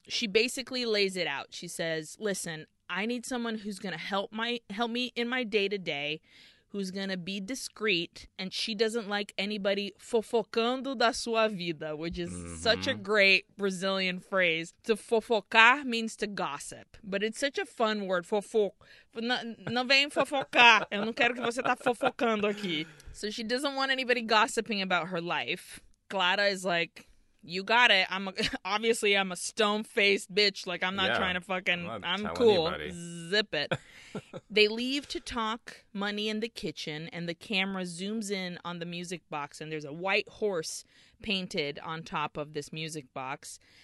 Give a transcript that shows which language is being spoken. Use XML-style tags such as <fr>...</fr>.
<en>She basically lays it out. She says, listen, I need someone who's going to help me in my day-to-day, who's going to be discreet, and she doesn't like anybody</en> <pt>fofocando da sua vida,</pt> <en>which is mm-hmm. such a great Brazilian phrase. To fofocar means to gossip, but it's such a fun word.</en> <pt>Não vem fofocar. Eu não quero que você tá fofocando aqui.</pt> <en>So she doesn't want anybody gossiping about her life. Clara is like, you got it. Obviously, I'm a stone-faced bitch. Like, I'm not trying to fucking... I'm cool. Anybody. Zip it. They leave to talk money in the kitchen, and the camera zooms in on the music box, and there's a white horse painted on top of this music box.</en>